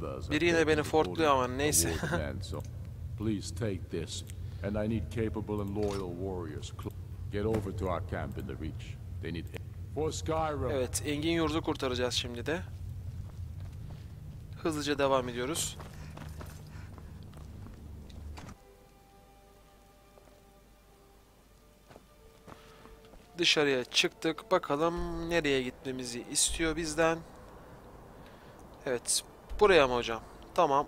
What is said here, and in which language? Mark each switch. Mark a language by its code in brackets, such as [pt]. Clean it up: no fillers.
[tr] Biri yine beni fortluyor ama neyse. [en] Please take this. And I need capable and loyal warriors. Get over to our camp in the Reach. They need for Skyrim. [tr] Evet, Engin Yurdu kurtaracağız şimdi de. Hızlıca devam ediyoruz. Dışarıya çıktık. Bakalım nereye gitmemizi istiyor bizden. Evet. Buraya mı hocam? Tamam.